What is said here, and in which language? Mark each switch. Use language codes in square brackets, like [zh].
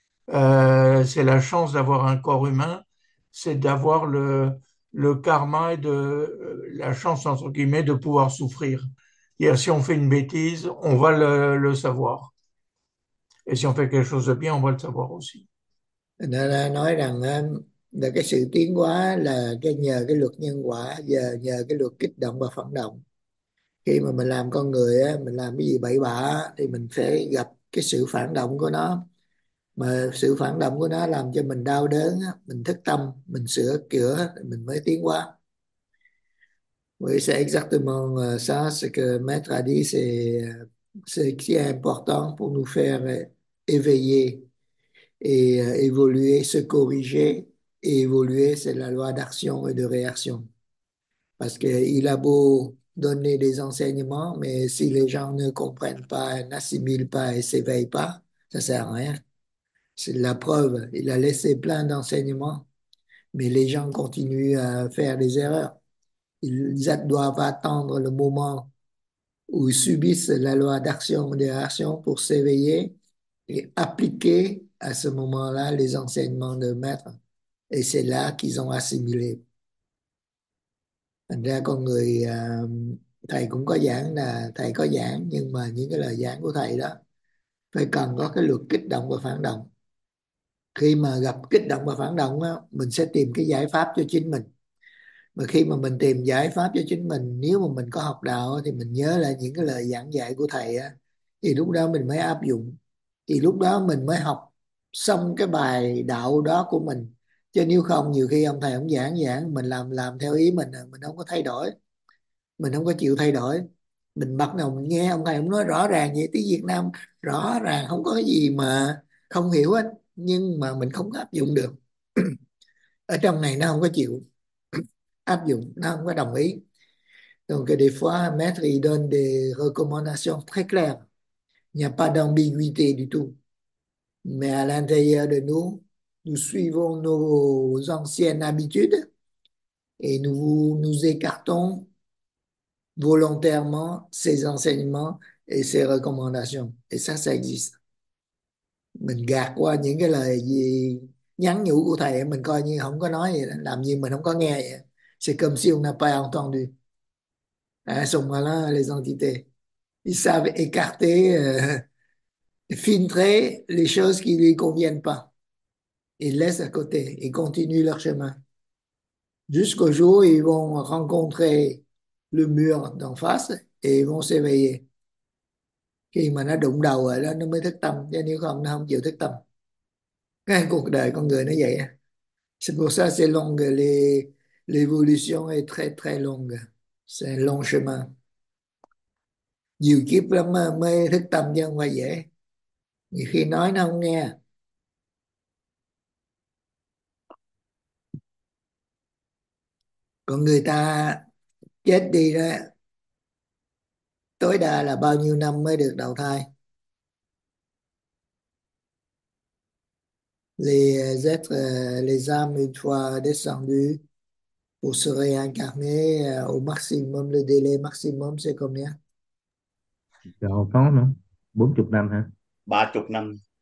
[fr] C'est la chance d'avoir un corps humain, c'est d'avoir le karma et de la chance, entre guillemets, de pouvoir souffrir. C'est-à-dire, si on fait une bêtise, on va le savoir. Et si on fait quelque chose de bien, on va le savoir aussi. [vi] Nó nói rằng là cái sự tiến hóa là cái nhờ cái luật nhân quả, nhờ cái luật kích động và phản động. Khi mà mình làm con người á, mình làm cái gì bậy bạ thì mình sẽ gặp cái sự phản động của nó, mà sự phản động của nó làm cho mình đau đớn á, mình thức tâm, mình sửa chữa thì mình mới tiến hóa. [fr] Oui, c'est exactement ça ce que Maître a dit, c'est ce qui est important pour nous faire éveiller. Et évoluer, se corriger et évoluer, c'est la loi d'action et de réaction. Parce qu'il a beau donner des enseignements, mais si les gens ne comprennent pas, n'assimilent pas et s'éveillent pas, ça sert à rien. C'est la preuve. Il a laissé plein d'enseignements, mais les gens continuent à faire des erreurs. Ils doivent attendre le moment où ils subissent la loi d'action et de réaction pour s'éveiller et appliquer à ce moment-là, les enseignements de maître, et c'est là qu'ils ont assimilé. [vi] Thành ra con người, thầy cũng có giảng là thầy có giảng, nhưng mà những cái lời giảng của thầy đó phải cần có cái luật kích động và phản động. Khi mà gặp kích động và phản động á, mình sẽ tìm cái giải pháp cho chính mình. Mà khi mà mình tìm giải pháp cho chính mình, nếu mà mình có học đạo thì mình nhớ lại những cái lời giảng dạy của thầy á, thì lúc đó mình mới áp dụng, thì lúc đó mình mới học xong cái bài đạo đó của mình. Chứ nếu không, nhiều khi ông thầy ông giảng giảng mình làm theo ý mình không có thay đổi, mình không có chịu thay đổi. Mình bắt đầu mình nghe ông thầy ông nói rõ ràng vậy, tiếng Việt Nam rõ ràng không có cái gì mà không hiểu hết, nhưng mà mình không áp dụng được. Ở trong này nó không có chịu áp dụng, nó không có đồng ý. [fr] Donc des fois maître il donne des recommandations très claires, il n'y a pas d'ambiguïté du tout. Mais à l'intérieur de nous, nous suivons nos anciennes habitudes et nous écartons volontairement ces enseignements et ces recommandations. Et ça existe. [vi] Mình gạt qua những cái lời gì nhắn nhủ của thầy, mình coi như không có nói gì, làm như mình không có nghe vậy. [fr] C'est comme si on n'a pas entendu. À, sont malins, les entités. Ils savent écarter. Filtrer les choses qui ne lui conviennent pas. Ils laissent à côté et continuent leur chemin. Jusqu'au jour où ils vont rencontrer le mur d'en face et ils vont s'éveiller. [vi] Khi mà nó đụng đầu rồi đó, nó mới thức tâm. Chứ nếu không, nó không chịu thức tâm. Cái cuộc đời con người nó vậy. [fr] C'est pour ça, c'est long. L'évolution est très très longue. C'est un long chemin. [vi] Nhiều kiếp lắm mới thức tâm chứ không phải dễ. Nhiều khi nói nó không nghe. Còn người ta chết đi đó, tối đa là bao nhiêu năm mới được đầu thai? [fr] Les âmes, une fois descendues, pour se réincarner, au maximum, le délai maximum, c'est combien? 40 ans, non? [vi] 40 năm hả? 30 năm.